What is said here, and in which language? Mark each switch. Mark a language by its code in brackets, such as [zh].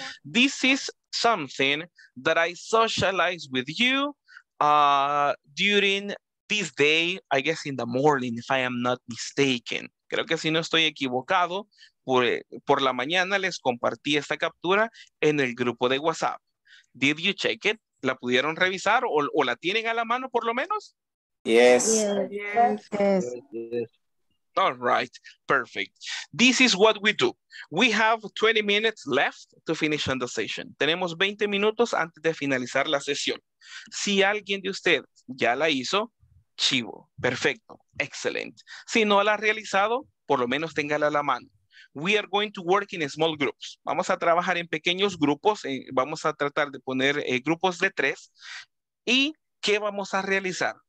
[en] This is something that I socialize with you during this day, I guess in the morning, if I am not mistaken. [es] Creo que si no estoy equivocado, por la mañana les compartí esta captura en el grupo de WhatsApp. [en] Did you check it? [es] ¿La pudieron revisar o la tienen a la mano por lo menos? [en] Yes. Yes. All right, perfect. This is what we do. We have 20 minutes left to finish on the session. [es] Tenemos 20 minutos antes de finalizar la sesión. Si alguien de ustedes ya la hizo, chivo, perfecto, excellent. Si no la ha realizado, por lo menos téngala a la mano. [en] We are going to work in small groups. [es] Vamos a trabajar en pequeños grupos. Vamos a tratar de poner grupos de tres. ¿Y qué vamos a realizar?